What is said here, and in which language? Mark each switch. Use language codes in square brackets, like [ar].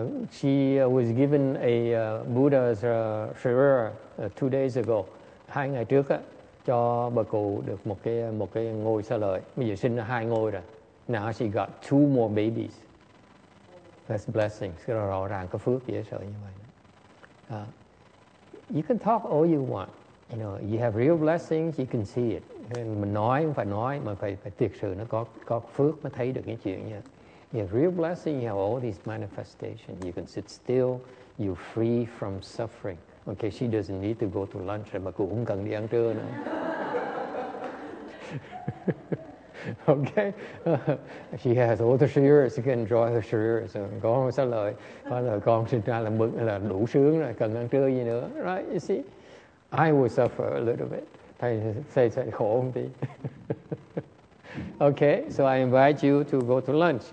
[en] She was given a Buddha's shirara 2 days ago. [vi] 2 ngày trước á. Cho bà cụ được một cái ngôi xá lợi. Bây giờ sinh ra 2 ngôi rồi. [en] Now she got 2 more babies. That's blessing. [vi] Cái đó rõ ràng có phước dễ sợ như vậy. [en] You can talk all you want. You know, you have real blessings, you can see it. [vi] And mình nói không phải nói, mà phải thực sự nó có phước mới thấy được cái chuyện nha. [en] You have real blessings, you have all these manifestations. You can sit still, you're free from suffering. Okay, she doesn't need to go to lunch, but [vi] cô không cần đi ăn trưa nữa. [en] Okay, she has all the shirara, she can enjoy her shirara. [vi] So, con sẽ lợi, con sinh ra là đủ sướng rồi, cần ăn trưa gì nữa, right? [en] You see, I will suffer a little bit. [vi] Thầy say khổ một tí. [en] Okay, so I invite you to go to lunch.